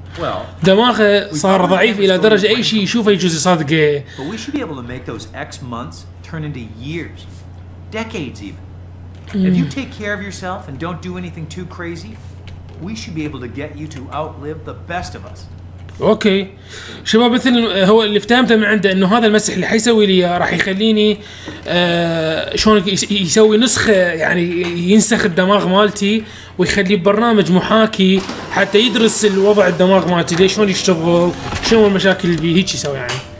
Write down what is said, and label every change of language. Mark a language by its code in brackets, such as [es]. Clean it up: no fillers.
[ar] Well, دماغه صار ضعيف إلى درجة أي شيء يشوفه يجوز يصادقه. [en] But we should be able to make those X months turn into years, decades even. If you take care of yourself and don't do anything too crazy, we should be able to get you to outlive the best of us. [ar] اوكي شباب مثل هو اللي افتهمته من عنده انه هذا المسح اللي حيسوي لي راح يخليني شلون يسوي نسخه يعني ينسخ الدماغ مالتي ويخليه ببرنامج محاكي حتى يدرس الوضع الدماغ مالتي ليش شلون يشتغل شنو المشاكل اللي بيه هيك يسوي يعني